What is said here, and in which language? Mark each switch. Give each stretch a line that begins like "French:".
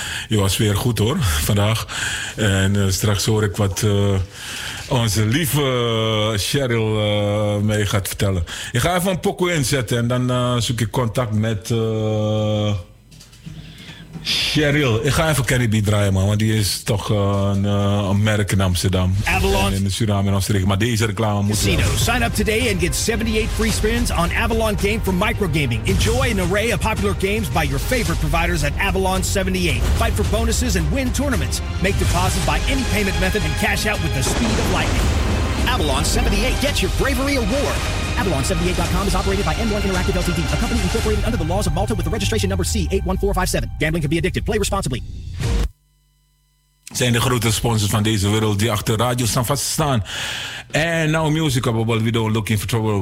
Dutch: Je was weer goed hoor, vandaag. En straks hoor ik wat onze lieve Cheryl mee gaat vertellen. Ik ga even een pokoe inzetten en dan zoek ik contact met Cheryl. Ik ga even Kenny B draaien, man, want die is toch een merk in Amsterdam. Avalon. En in Suriname en Oostenrijk. Maar deze reclame moet Casino. Wel.
English: Sign up today and get 78 free spins on Avalon Game from Microgaming. Enjoy an array of popular games by your favorite providers at Avalon 78. Fight for bonuses and win tournaments. Make deposits by any payment method and cash out with the speed of lightning. Avalon 78, get your bravery award. Avalon78.com is operated by N1 Interactive Ltd., a company incorporated under the laws of Malta with the registration number C81457. Gambling can be addictive. Play responsibly.
Dutch: Zijn de grote sponsors van deze wereld die achter radio staan vast staan.
English: And now music, but we don't looking for trouble.